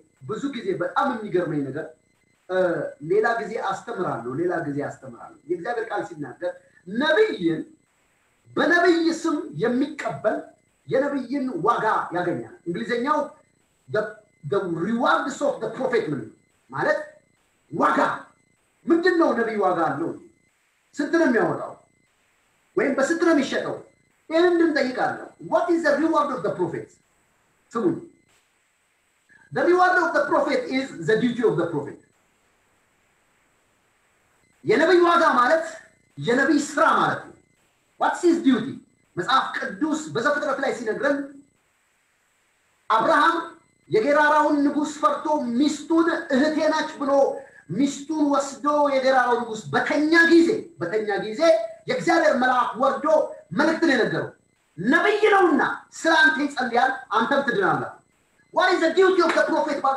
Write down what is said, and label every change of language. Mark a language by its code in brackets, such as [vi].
[am] ብዙ ጊዜ በጣም የሚገርመኝ ነገር ሌላ ጊዜ አስተምራለሁ የእግዚአብሔር ቃል ሲናገር ነብይን በነብይ ስም የሚቀበል የነብይን ዋጋ ያገኛል። እንግሊዘኛው [en] the rewards of the prophet [am] ማለት ዋጋ ምንድን ነው? ነብይ ዋጋ አለው። ስንት ነው የሚያወጣው ወይም በስንት ነው የሚሸጠው? እንድን ጠይቃለሁ። [en] What is the reward of the prophet? ስሙኝ። The reward of the prophet is the duty of the prophet. [am] የነብይ ዋጋ ማለት የነብይ ስራ ማለት ነው። [en] What is his duty? [am] መጽሐፍ ቅዱስ በዘፍጥረት ላይ ሲነግረን አብርሃም የጌራራውን ንጉስ ፈርቶ ሚስቱን እህቴ ናች ብሎ ሚስቱን ወስዶ የጌራራው ንጉስ በተኛ ጊዜ የእግዚአብሔር መልአክ ወርዶ መልእክት ነገረው። ነብይ ነውና ስላንተ ይጸልያል አንተም ትድናለህ። [en] What is the duty of the prophet?